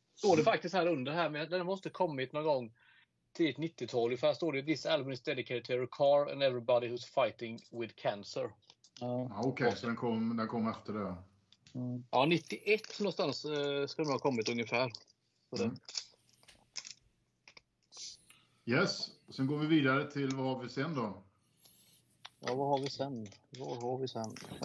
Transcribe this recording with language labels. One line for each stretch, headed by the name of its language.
Swedish: Står det faktiskt här under här, men den måste kommit någon gång till 90-tal. För här står det:
English: this album is dedicated to your car and everybody who's fighting with cancer.
Swedish: Okej, så den kom efter det. Mm. Ja, 91 någonstans ska den ha kommit ungefär. Mm. Yes, sen går vi vidare till vad har vi sen då? Ja, vad har vi sen? Vad har vi sen?